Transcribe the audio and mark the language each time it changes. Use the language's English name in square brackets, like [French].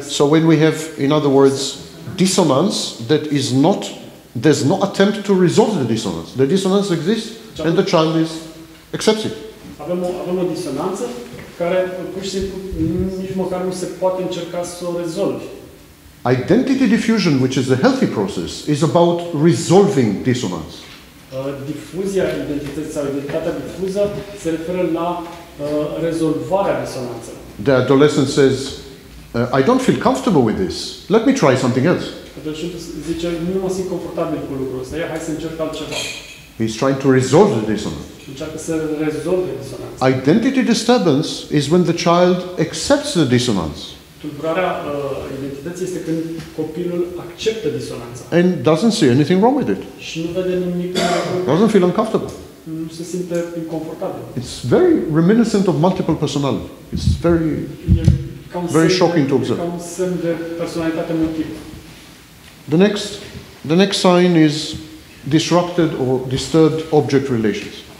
[English] se. So when we have, in other words, dissonance that is not. There's no attempt to resolve the dissonance. The dissonance exists, and the child is accepts it. [Romanian] Avem o disonanță care pur și simplu nici măcar nu se poate încerca să o rezolve. [English] Identity diffusion, which is a healthy process, is about resolving dissonance. [Romanian] Difuzia identității sau identitatea difuză se referă la rezolvarea disonanței. [English] The adolescent says, I don't feel comfortable with this. Let me try something else. [Romanian] Adolescentul zice, nu mă simt confortabil cu lucrul ăsta, hai să încerc altceva. [English] He's trying to resolve the dissonance. [Romanian] Încearcă să rezolve disonanța. [English] Identity disturbance is when the child accepts the dissonance. [Romanian] Tulburarea identității este când copilul acceptă disonanța. [English] And doesn't see anything wrong with it. [Romanian] Și nu vede nimic rău. [English] Doesn't feel uncomfortable. [Romanian] Nu se simte inconfortabil. [English] It's very reminiscent of multiple personality. It's very, very shocking to observe. [Romanian] E ca un semn de personalitate multiplă. [English] The next sign is disrupted or disturbed object relations.